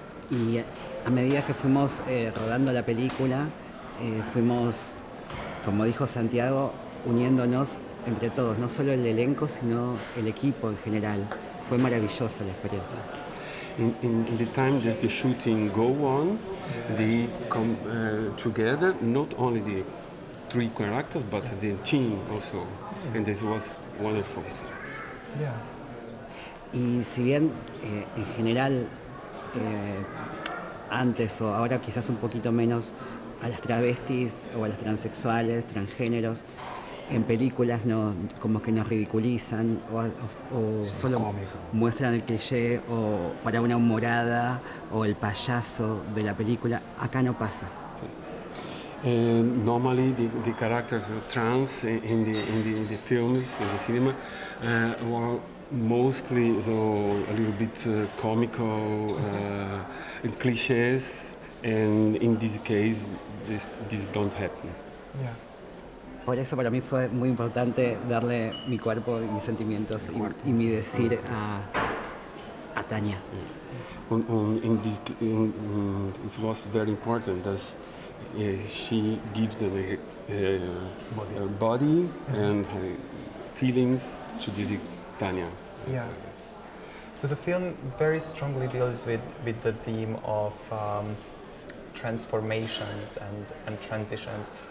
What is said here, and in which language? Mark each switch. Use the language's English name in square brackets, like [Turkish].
[Spanish] Y a medida que fuimos rodando la película, fuimos, como dijo Santiago, uniéndonos entre todos, no solo el elenco, sino el equipo en general. Fue maravillosa la experiencia. [English] In the time that the shooting go on, they come together, not only the three characters, but the team also. And this was wonderful. Yeah. [Spanish] Y si bien en general, antes o ahora quizás un poquito menos, a las travestis o a las transexuales, transgéneros, en películas no como que nos ridiculizan o solo cómico. Muestran el cliché o para una humorada o el payaso de la película, acá no pasa. [English] Normally the characters of trans in the films in the cinema were mostly so a little bit comical and clichés, and in this case this don't happen. Yeah. [Spanish] Por eso para mí fue muy importante darle mi cuerpo y mis sentimientos y mi decir a Tanya. [English] It was very important that she gives the body. Her body and her feelings to this Tanya. Yeah. So the film very strongly deals with the theme of transformations and transitions.